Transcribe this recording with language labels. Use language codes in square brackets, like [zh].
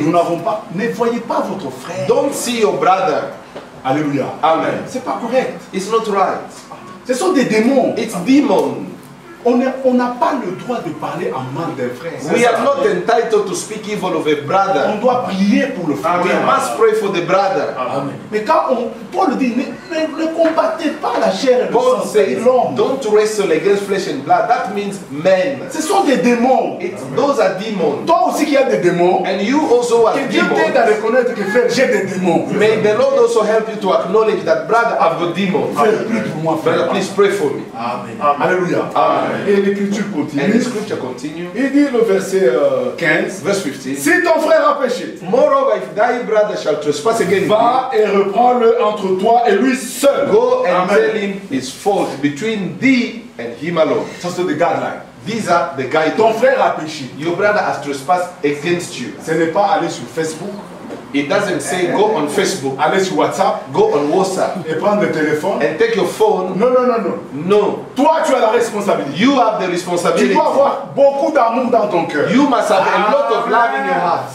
[fr] nous n'avons pas, ne voyez pas votre frère. [en] Don't see your brother. [fr] Alléluia. [en] Amen. [fr] C'est pas correct. [en] It's not right. [fr] Ce sont des démons. [en] It's demons. [fr] On n'a pas le droit de parler en mal d'un frère. [en] We are not entitled to speak evil of a brother. [fr] On doit prier pour le frère. [en] We must pray for the brother. Amen. [fr] Mais quand Paul dit, ne combattez pas la chair et le [en] Paul [fr] sang de l'homme. [en] Don't wrestle against flesh and blood. That means men. [fr] Ce sont des démons. [en] Those are demons. [fr] Toi aussi qui as des démons. [en] And you also are demons. [fr] Que Dieu t'aide à reconnaître que frère, j'ai des démons. [en] May the Lord also help you to acknowledge that brother, I've got demons. [fr] Frère, prie pour moi, frère. [en] Please pray for me. [fr] Amen. Amen. Alléluia. [en] Amen. [fr] Et l'écriture continue. [en] And the scripture continue. [fr] Il dit le verset 15, [en] verse 15. [fr] Si ton frère a péché, [en] moreover, if thy brother shall trespass again, [fr] va et reprends-le entre toi et lui seul. [en] Go and Amen. Tell him his fault between thee and him alone. [fr] Ça c'est le guideline. [en] These are the guidelines. [fr] Ton frère a péché. [en] Your brother has trespassed against you. [fr] Ce n'est pas aller sur Facebook. [en] It doesn't say go on Facebook. [fr] Aller sur WhatsApp. [en] Go on WhatsApp. [fr] Et prendre le téléphone. [en] And take your phone. [fr] Non, non, non, non. [en] No. [fr] Toi, tu as la responsabilité. [en] You have the responsibility. [fr] Tu dois avoir beaucoup d'amour dans ton cœur. [en] You must have a lot of love in your heart.